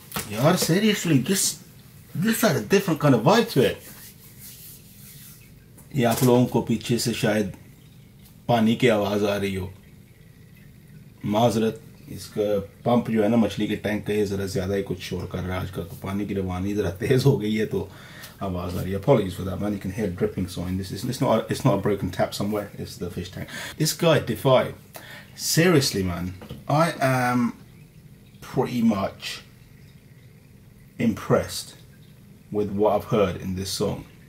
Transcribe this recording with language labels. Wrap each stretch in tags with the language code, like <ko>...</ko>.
<en>Yar, seriously, this had a different kind of vibe to it.</en> <hi>ये आप लोगों को पीछे से शायद पानी की आवाज आ रही हो. माजरत, इसका पंप जो है ना मछली के टैंक का, ये जरा ज्यादा ही कुछ शोर कर रहा है आजकल, तो पानी की रवानी जरा तेज हो गई है तो आवाज आ रही है.</hi> <en>Apologies for that, man. You can hear dripping. So in this, it's not a broken tap somewhere. It's the fish tank. This guy Defy, seriously, man. I am pretty much impressed with what I've heard in this song.</en>